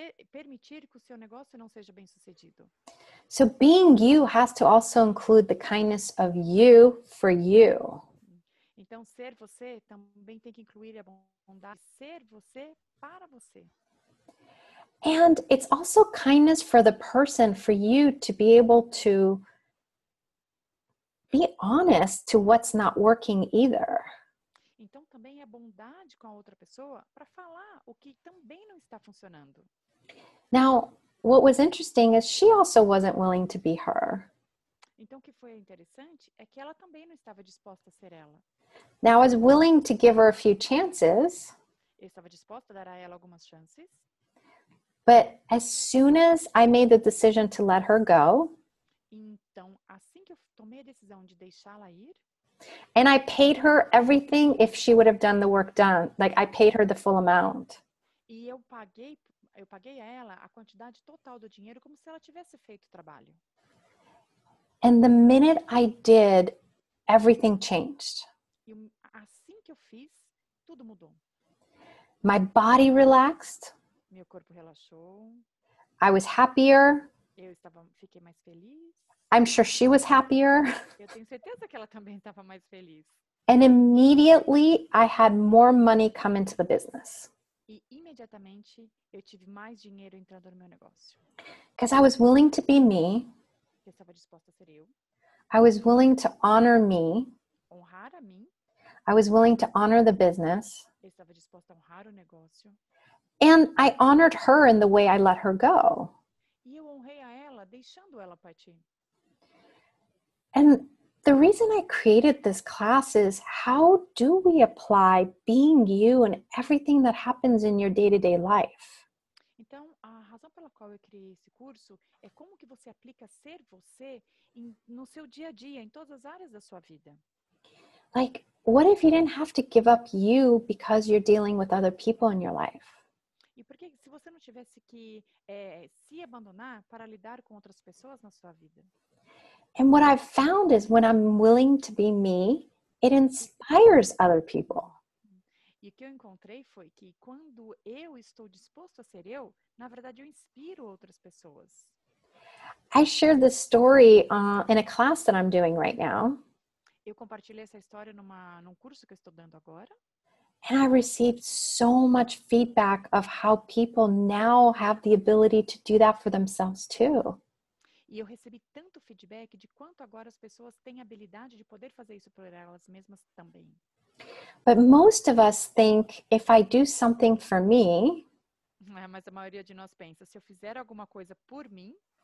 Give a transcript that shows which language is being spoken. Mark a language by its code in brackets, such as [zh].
[pt] Permitir que o seu negócio não seja bem sucedido. [en] So being you has to also include the kindness of you for you. [pt] Então ser você também tem que incluir a bondade de ser você para você. [en] And it's also kindness for the person for you to be able to be honest to what's not working either. [pt] Então também é bondade com a outra pessoa para falar o que também não está funcionando. [en] Now, what was interesting is she also wasn't willing to be her. [pt] Então, o que foi interessante é que ela também não estava disposta a ser ela. [en] Now, I was willing to give her a few chances. [pt] Eu estava disposta a dar a ela algumas chances. [en] But as soon as I made the decision to let her go. [pt] Então, assim que eu tomei a decisão de deixá-la ir. [en] And I paid her everything if she would have done the work done. Like, I paid her the full amount. [pt] E eu paguei a ela a quantidade total do dinheiro como se ela tivesse feito o trabalho. [en] And the minute I did, everything changed. [pt] E assim que eu fiz, tudo mudou. [en] My body relaxed. [pt] Meu corpo relaxou. [en] I was happier. [pt] Fiquei mais feliz. [en] I'm sure she was happier. [pt] Eu tenho certeza que ela também estava mais feliz. [en] And immediately I had more money come into the business. [pt] E imediatamente eu tive mais dinheiro entrando no meu negócio. [en] Because I was willing to be me. [pt] Eu estava disposta a ser eu. [en] I was willing to honor me. [pt] Honrar a mim. [en] I was willing to honor the business. [pt] Eu estava disposta a honrar o negócio. [en] And I honored her in the way I let her go. [pt] E eu honrei a ela, deixando ela partir. [en] And the reason I created this class is how do we apply being you and everything that happens in your day-to-day life? [pt] Então, a razão pela qual eu criei esse curso é como que você aplica ser você no seu dia a dia, em todas as áreas da sua vida. [en] Like, what if you didn't have to give up you because you're dealing with other people in your life? [pt] E por que se você não tivesse que se abandonar para lidar com outras pessoas na sua vida? [en] And what I've found is when I'm willing to be me, it inspires other people. [pt] E o que eu encontrei foi que quando eu estou disposto a ser eu, na verdade eu inspiro outras pessoas. [en] I shared this story in a class that I'm doing right now. [pt] Eu compartilhei essa história num curso que eu estou dando agora. [en] And I received so much feedback of how people now have the ability to do that for themselves too. [pt] E eu recebi tanto feedback de quanto agora as pessoas têm a habilidade de poder fazer isso por elas mesmas também. [en] But most of us think, if I do something for me, [pt] mas a maioria de nós pensa, se eu fizer alguma coisa por mim,